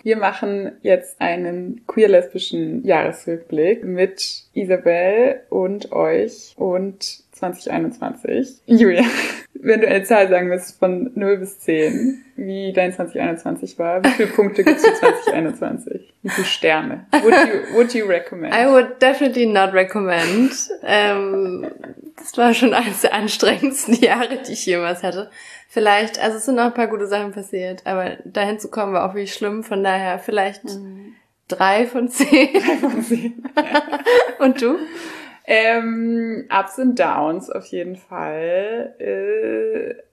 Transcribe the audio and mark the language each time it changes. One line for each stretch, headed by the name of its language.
German: Wir machen jetzt einen queer-lesbischen Jahresrückblick mit Isabel und euch und 2021. Julia, wenn du eine Zahl sagen müsstest von 0 bis 10, wie dein 2021 war, wie viele Punkte gibst du 2021? Wie viele Sterne?
English: Would you recommend? I would definitely not recommend.
German: Das war schon eines der anstrengendsten Jahre, die ich jemals hatte. Vielleicht, also es sind noch ein paar gute Sachen passiert, aber dahin zu kommen war auch wirklich schlimm. Von daher vielleicht 3 von 10. Und du? Ups and Downs auf jeden Fall.